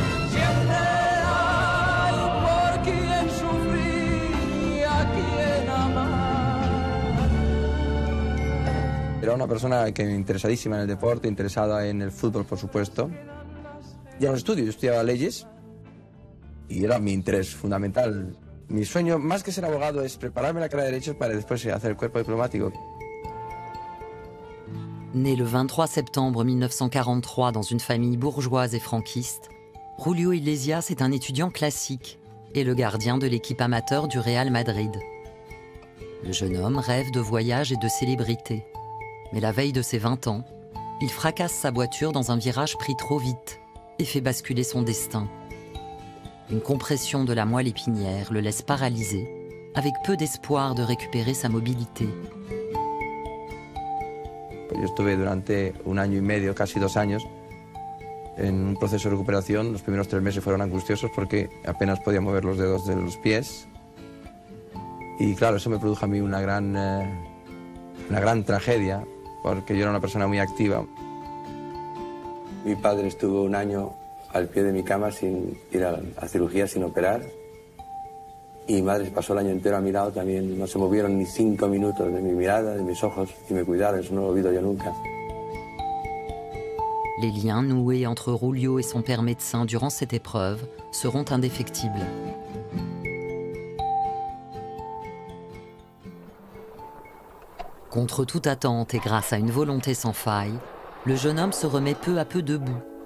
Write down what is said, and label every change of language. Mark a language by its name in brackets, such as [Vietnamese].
[Spanish] Siempre hay por quien sufrir y a quien amar. Era una persona que interesadísima en el deporte, interesada en el fútbol, por supuesto. Y en los estudios, yo estudiaba leyes y era mi interés fundamental. Mi sueño, más que ser abogado, es prepararme la carrera de derechos para después hacer el cuerpo diplomático. [French] Né le 23 septembre 1943 dans une famille bourgeoise et franquiste, Julio Iglesias est un étudiant classique et le gardien de l'équipe amateur du Real Madrid. Le jeune homme rêve de voyage et de célébrité. Mais la veille de ses 20 ans, il fracasse sa voiture dans un virage pris trop vite et fait basculer son destin. Une compression de la moelle épinière le laisse paralysé, avec peu d'espoir de récupérer sa mobilité. [Spanish] Yo estuve durante un año y medio, casi dos años, en un proceso de recuperación. Los primeros tres meses fueron angustiosos porque apenas podía mover los dedos de los pies. Y claro, eso me produjo a mí una gran tragedia, porque yo era una persona muy activa. Mi padre estuvo un año al pie de mi cama sin ir a cirugía, sin operar. Y mi madre pasó el año entero a mi lado también, no se movieron ni cinco minutos de mi mirada, de mis ojos, y me cuidaron, eso no lo olvido yo nunca. [French] Les liens noués entre Julio et son père médecin durant cette épreuve seront indéfectibles. Contre toute attente et grâce à une volonté sans faille, le jeune homme se remet peu à peu debout.